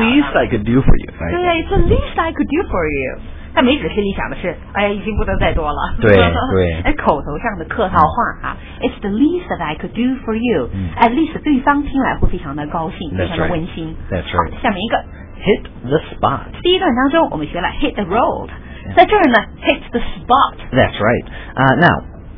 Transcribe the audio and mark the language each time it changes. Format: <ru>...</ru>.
<en>It's the least I could do for you. Right? 对， it's the least I could do for you.</en> <zh>但没准心里想的是，哎呀，已经不能再多了。对。哎，口头上的客套话啊。</zh> <en>It's the least that I could do for you. At least</en> <zh>对方听来会非常的高兴，非常的温馨。</zh> <en>That's right.</en> <zh>好，下面一个。</zh> <en>Hit the spot.</en> <zh>第一段当中，我们学了</zh> <en>hit the road，</en> <zh>在这儿呢 ，</zh> <en>hit the spot. That's right. Now.</en>